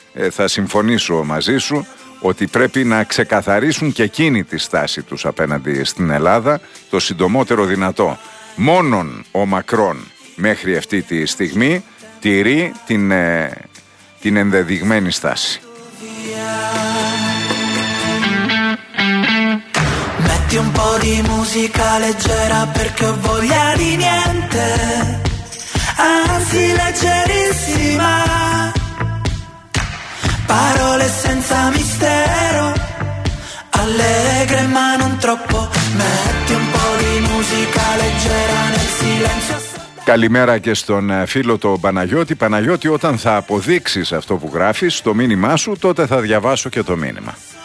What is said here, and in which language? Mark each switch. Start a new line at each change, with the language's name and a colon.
Greek: Θα συμφωνήσω μαζί σου ότι πρέπει να ξεκαθαρίσουν και εκείνοι τη στάση τους απέναντι στην Ελλάδα το συντομότερο δυνατό. Μόνον ο Μακρόν μέχρι αυτή τη στιγμή τηρεί την ενδεδειγμένη στάση.
Italian: Un po' di musica leggera perché ho voglia di niente, anzi leggerissima. Parole senza mistero, allegre ma non troppo. Metti un po' di musica leggera nel silenzio.
Greek: Καλημέρα και στον φίλο το Παναγιώτη. Παναγιώτη, όταν θα αποδείξεις αυτό που γράφεις στο μήνυμά σου, τότε θα διαβάσω και το μήνυμα.